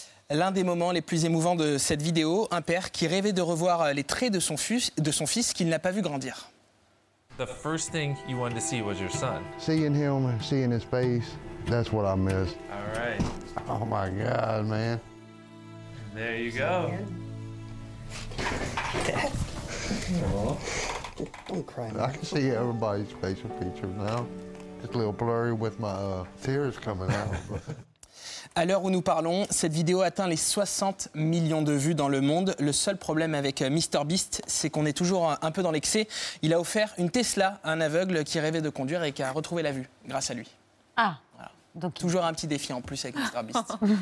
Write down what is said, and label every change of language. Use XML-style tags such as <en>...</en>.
<fr>L'un des moments les plus émouvants de cette vidéo, un père qui rêvait de revoir les traits de son fils qu'il n'a pas vu grandir.</fr> <en>The first thing you wanted to see was your son. Seeing him, seeing his face, that's what I miss. All right. Oh my God, man. There you go. Don't cry. I can see everybody's facial features now. It's a little blurry with my tears coming out.</en> <fr>À l'heure où nous parlons, cette vidéo atteint les 60 millions de vues dans le monde. Le seul problème avec MrBeast, c'est qu'on est toujours un peu dans l'excès. Il a offert une Tesla à un aveugle qui rêvait de conduire et qui a retrouvé la vue grâce à lui. Ah. Voilà. Donc toujours un petit défi en plus avec MrBeast.</fr>